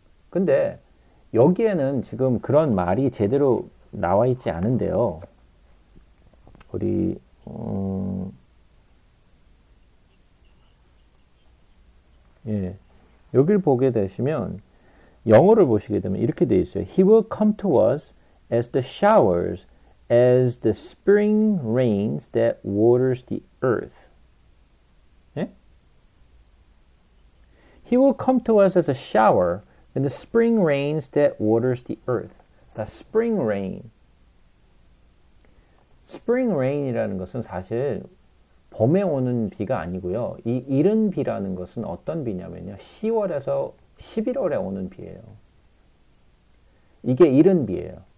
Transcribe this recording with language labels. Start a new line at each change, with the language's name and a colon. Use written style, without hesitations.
Korean: 근데 여기에는 지금 그런 말이 제대로 나와 있지 않은데요. 우리 예. 여기를 보게 되시면 영어를 보시게 되면 이렇게 돼 있어요.
English: He will come to us as the showers as the spring rains that waters the earth.
Korean: 예?
English: He will come to us as a shower and the spring rains that waters the earth. The spring rain.
Korean: Spring rain이라는 것은 사실 봄에 오는 비가 아니고요. 이 이른 비라는 것은 어떤 비냐면요. 10월에서 11월에 오는 비예요. 이게 이른 비예요.